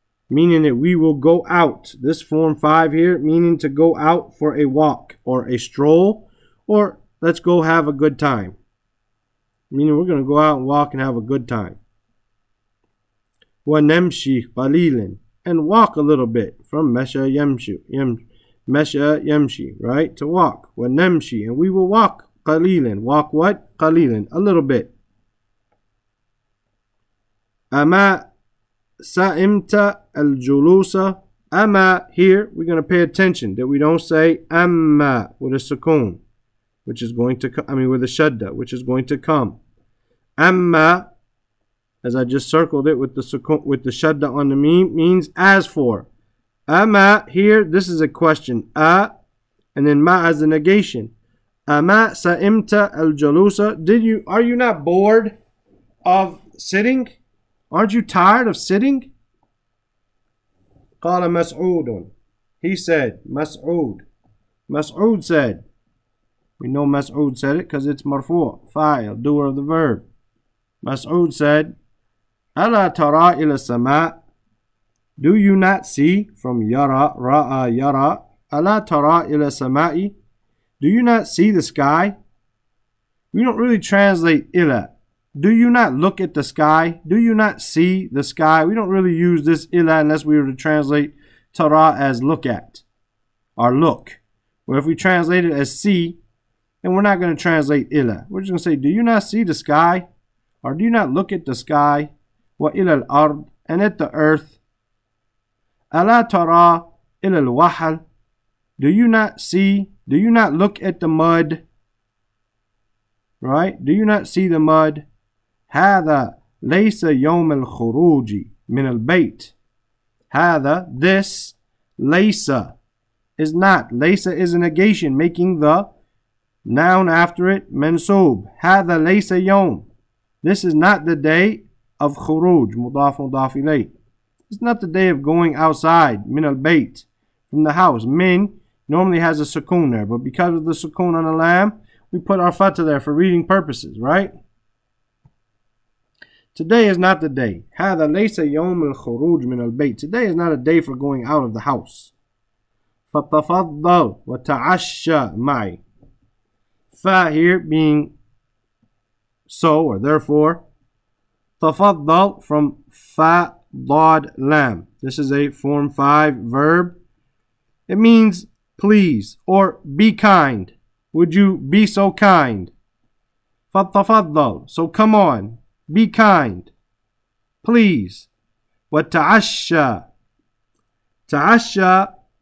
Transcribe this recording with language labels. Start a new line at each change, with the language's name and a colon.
English: Meaning that we will go out. This form 5 here, meaning to go out for a walk or a stroll. Or let's go have a good time. Meaning we're going to go out and walk and have a good time.
Arabic: وَنَمْشِي قَلِيلًا
English: And walk a little bit.
Arabic: From مَشَى يَمْشِي.
English: Right? To walk.
Arabic: وَنَمْشِي
English: And we will walk.
Arabic: قَلِيلًا
English: Walk what?
Arabic: قَلِيلًا
English: A little bit.
Arabic: أَمَا سَئِمْتَ الْجُلُوسَ أَمَا
English: Here, we're going to pay attention that we don't say أَمَا with a sukoon, which is going to come, I mean with a shadda, which is going to come. أَمَا as I just circled it with the sukoon, with the shadda on the meme, means as for. أَمَا Here, this is a question. A, and then ma as a negation.
Arabic: أَمَا سَئِمْتَ الْجُلُوسَ
English: Did you, are you not bored of sitting? Aren't you tired of sitting?
Arabic: قال مسعود.
English: He said, مسعود. مسعود said. We know مسعود said it because it's مرفوع, فاعل, doer of the verb.
Arabic: مسعود
English: said,
Arabic: ألا ترى إلى السماء?
English: Do you not see?
Arabic: From يرى, رأى, يرى. ألا ترى إلى السماء?
English: Do you not see the sky? We don't really translate إلى. Do you not look at the sky? Do you not see the sky? We don't really use this ila unless we were to translate tara as look at or look. Or if we translate it as see, then we're not going to translate ila. We're just going to say, do you not see the sky? Or do you not look at the sky?
Arabic: Wa ila al-ard
English: and at the earth.
Arabic: Ala tara ila al-wahal.
English: Do you not see? Do you not look at the mud? Right? Do you not see the mud?
Arabic: هذا ليس يوم الخروج من البيت.
English: هذا, this, ليس, is not. ليس is a negation, making the noun after it منصوب.
Arabic: هذا ليس يوم.
English: This is not the day
Arabic: of خروج مضاف مضاف إليه.
English: It's not the day of going outside
Arabic: من البيت
English: from the house. من normally has a sukun there, but because of the sukun on the lam, we put our fatha there for reading purposes, right? Today is not the day.
Arabic: هذا ليس يوم الخروج من البيت.
English: Today is not a day for going out of the house.
Arabic: فتفضل وتعشى معي.
English: Fa here being so or therefore.
Arabic: تفضل from fa ضاد لام.
English: This is a form 5 verb. It means please or be kind. Would you be so kind? فتفضل. So come on. Be kind. Please.
Arabic: وتعشى. تعشى.